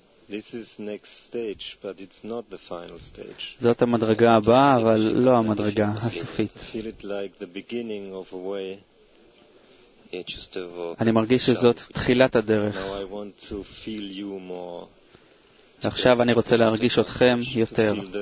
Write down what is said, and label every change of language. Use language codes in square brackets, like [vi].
[en] this is next stage but it's not the final stage. [he] זאת המדרגה הבאה אבל לא המדרגה הסופית. [en] Feel it like the beginning of a way. [he] אני מרגיש שזאת תחילת הדרך. [en] Now I want to feel you more. [he] עכשיו אני רוצה להרגיש אתכם יותר.